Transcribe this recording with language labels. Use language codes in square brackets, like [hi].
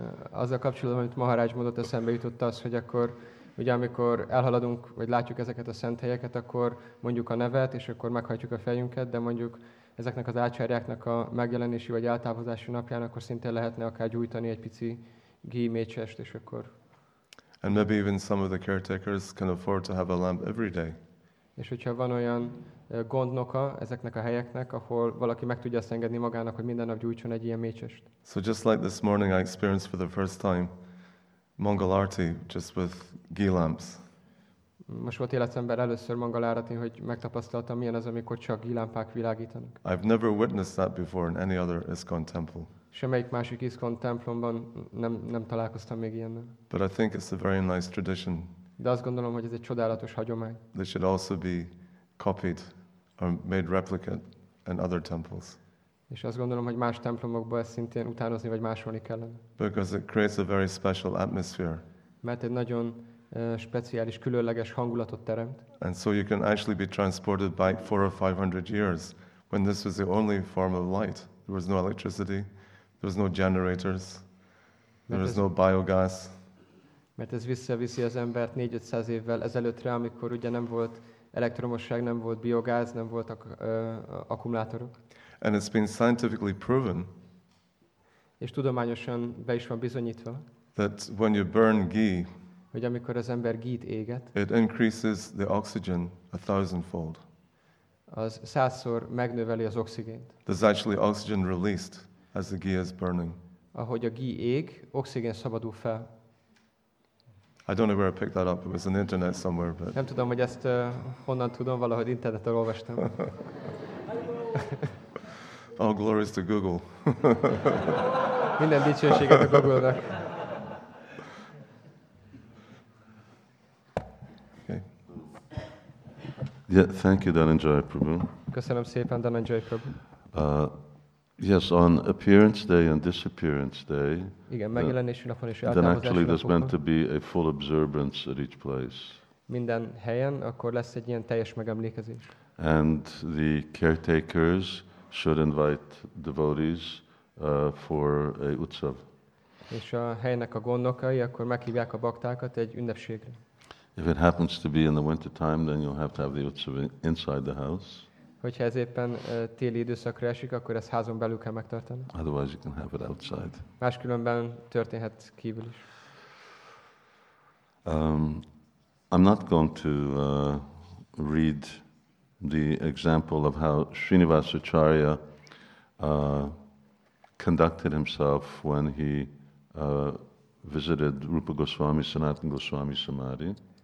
[hu] Az a kapcsolatban, amit Maharaj mondott, eszembe jutott az, hogy akkor, ugye amikor elhaladunk, vagy látjuk ezeket a szent helyeket, akkor mondjuk a nevet, és akkor meghajtjuk a fejünket, de mondjuk ezeknek az ácsárjáknak a megjelenési vagy eltávozási napján, akkor szintén lehetne akár gyújtani egy pici ghee mécsest, és akkor... [en] And maybe even some of the caretakers can afford to have a lamp every day. [hu] És hogyha van olyan gondnoka ezeknek a helyeknek, ahol valaki meg tudja azt engedni magának, hogy minden nap gyújtson egy ilyen mécsest. [en] So just like this morning I experienced for the first time Mangal Arati just with ghee lamps. [hu] Most volt életemben először Mangal Arati, hogy megtapasztaltam, milyen az, amikor csak ghee lámpák világítanak. [en] I've never witnessed that before in any other ISKCON temple. [hu] Semmelyik másik ISKCON templomban nem találkoztam még ilyennel. [en] But I think it's a very nice tradition. [hu] De azt gondolom, hogy ez egy csodálatos hagyomány. [en] It should also be copied or made replicate in other temples. [hu] És azt gondolom, hogy más templomokban ezt szintén utánozni vagy másolni kellene. [en] Because it creates a very special atmosphere. [hu] Mert egy nagyon speciális, különleges hangulatot teremt. [en] And so you can actually be transported back 400 or 500 years when this was the only form of light. There was no electricity. There was no generators. There was no biogas. [hu] Mert ez visszaviszi az embert 400-500 évvel ezelőttre, amikor ugye nem volt elektromosság, nem volt biogáz, nem voltak akkumulátorok. [en] And it's been scientifically proven. [hu] És tudományosan be is van bizonyítva. [en] That when you burn ghee, [hu] hogy amikor az ember ghee-t éget, [en] it increases the oxygen 1000-fold. [hu] Az 100-szor megnöveli az oxigént. [en] There's actually oxygen released as the ghee is burning. [hu] Ahogy a ghee ég, oxigén szabadul fel. [en] I don't know where I picked that up. It was on the internet somewhere, but. [hu] Nem tudom, hogy ezt honnan tudom, valahogy interneten olvastam. [en] All glories to Google. [hu] Minden dicsőséget a Google-nak. [en] Okay. Yeah, thank you, Dhananjaya Prabhu. [hu] Köszönöm szépen, Dhananjaya Prabhu. [en] Yes, on appearance day and disappearance day, [hu] igen, megjelenési napon és [en] then actually there's meant to be a full observance at each place. [hu] Minden helyen, akkor lesz egy ilyen teljes megemlékezés. [en] And the caretakers should invite devotees for a utsav. [hu] És a helynek a gondnokai, akkor meghívják a baktákat egy ünnepségre. [en] If it happens to be in the winter time, then you'll have to have the utsav inside the house. [hu] Hogyha ez éppen téli időszakra esik, akkor ezt házon belül kell megtartani. [en] Otherwise you can have it outside. [hu] Máskülönben történhet kívül is. [en] I'm not going to read the example of how Srinivas Acharya conducted himself when he visited Rupa Goswami, Sanatana Goswami Samadhi.